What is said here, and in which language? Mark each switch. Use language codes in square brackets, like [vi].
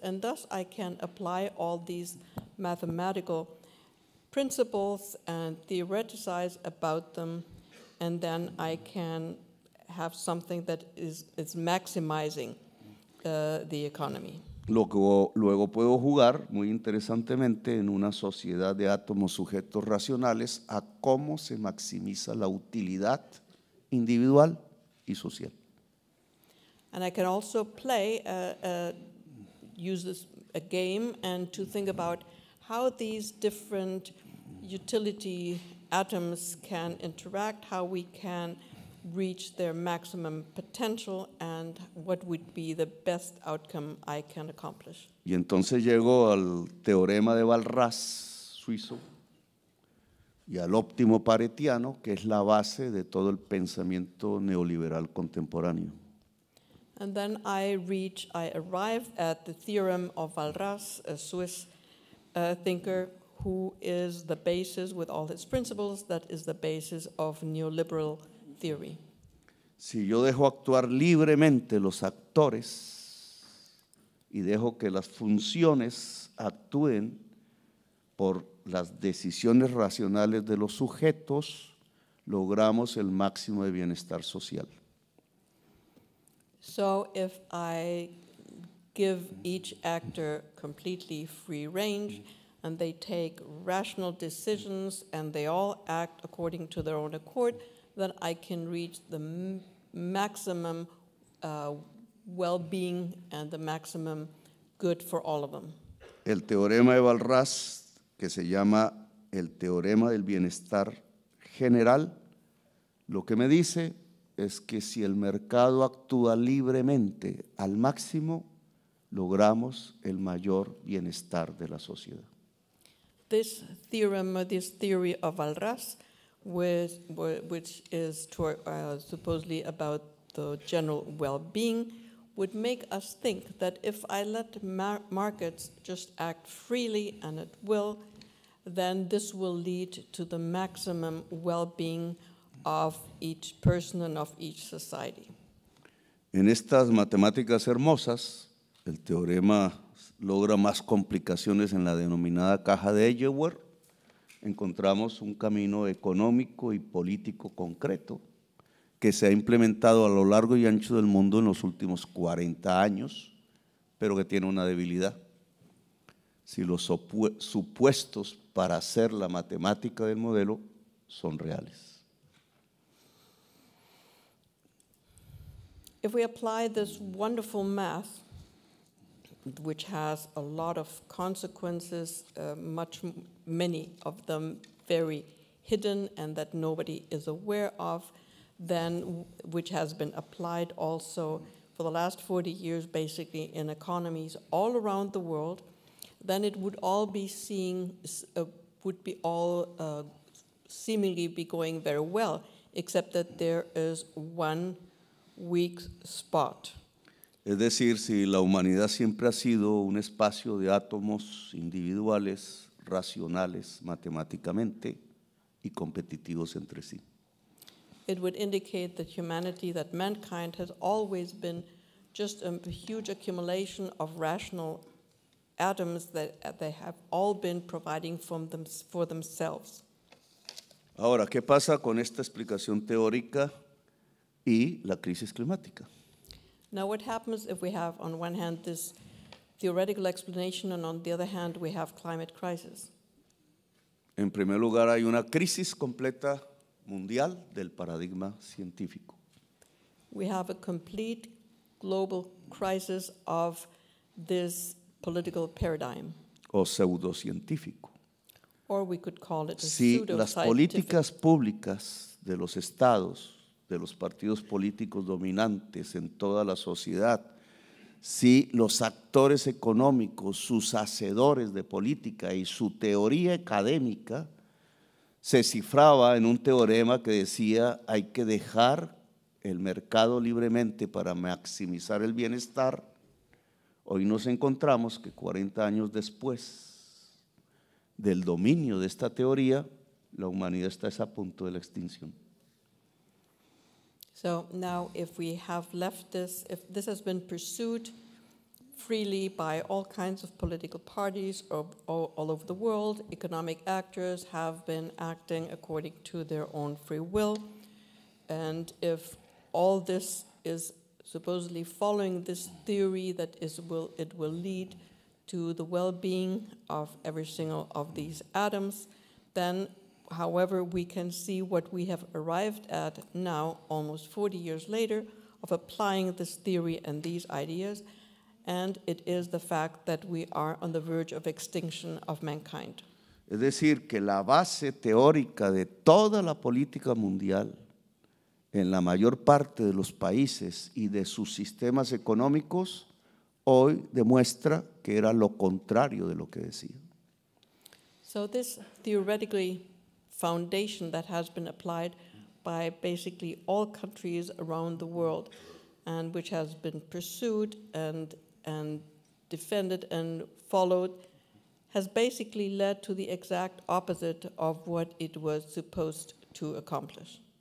[en] And thus I can apply all these mathematical principles and theoreticize about them and then I can have something that is maximizing the economy. [es] Luego puedo jugar, muy interesantemente, en una sociedad de átomos sujetos racionales a cómo se maximiza la utilidad individual y social. [en] And I can also play, use this a game and to think about how these different utility atoms can interact, how we can reach their maximum potential and what would be the best outcome I can accomplish. [es] Y entonces llego al teorema de Walras suizo y al óptimo paretiano, que es la base de todo el pensamiento neoliberal contemporáneo. [en] And then I arrive at the theorem of Walras, a Swiss thinker who is the basis with all his principles that is the basis of neoliberal theory. [es] Si yo dejo actuar libremente los actores y dejo que las funciones actúen por las decisiones racionales de los sujetos, logramos el máximo de bienestar social. [en] So if I give each actor completely free range and they take rational decisions and they all act according to their own accord, that I can reach the maximum well-being and the maximum good for all of them. [es] El teorema de Walras, que se llama el teorema del bienestar general, lo que me dice es que si el mercado actúa libremente al máximo, logramos el mayor bienestar de la sociedad. [en] This theory of Walras, which is supposedly about the general well-being, would make us think that if I let markets just act freely and at will, then this will lead to the maximum well-being of each person and of each society. [es] En estas matemáticas hermosas, el teorema logra más complicaciones en la denominada caja de Eisenhower. Encontramos un camino económico y político concreto que se ha implementado a lo largo y ancho del mundo en los últimos 40 años, pero que tiene una debilidad. Si los supuestos para hacer la matemática del modelo son reales. [en] If we apply this wonderful math, which has a lot of consequences, many of them very hidden and that nobody is aware of, then which has been applied also for the last 40 years basically in economies all around the world, then it would all be seemingly be going very well, except that there is one weak spot. [es] Es decir, si la humanidad siempre ha sido un espacio de átomos individuales, racionales, matemáticamente, y competitivos entre sí. [en] It would indicate that humanity, that mankind, has always been just a huge accumulation of rational atoms that they have all been providing for themselves. [es] Ahora, ¿qué pasa con esta explicación teórica y la crisis climática? [en] Now, what happens if we have, on one hand, this theoretical explanation, and on the other hand, we have climate crisis? [es] En primer lugar, hay una crisis completa mundial del paradigma científico. [en] We have a complete global crisis of this political paradigm. [es] O pseudocientífico. [en] Or we could call it a pseudoscientific. [es] Si las políticas públicas de los estados, de los partidos políticos dominantes en toda la sociedad, si los actores económicos, sus hacedores de política y su teoría académica se cifraba en un teorema que decía hay que dejar el mercado libremente para maximizar el bienestar, hoy nos encontramos que 40 años después del dominio de esta teoría, la humanidad está a punto de la extinción. [en] So now if we have left this, if this has been pursued freely by all kinds of political parties all over the world, economic actors have been acting according to their own free will, and if all this is supposedly following this theory that it will lead to the well-being of every single of these atoms, then however, we can see what we have arrived at now, almost 40 years later, of applying this theory and these ideas, and it is the fact that we are on the verge of extinction of mankind. [es] Es decir, que la base teórica de toda la política mundial en la mayor parte de los países y de sus sistemas económicos hoy demuestra que era lo contrario de lo que decía. [en] So this theoretically foundation that has been applied by basically all countries around the world and which has been pursued and defended and followed has basically led to the exact opposite of what it was supposed to accomplish.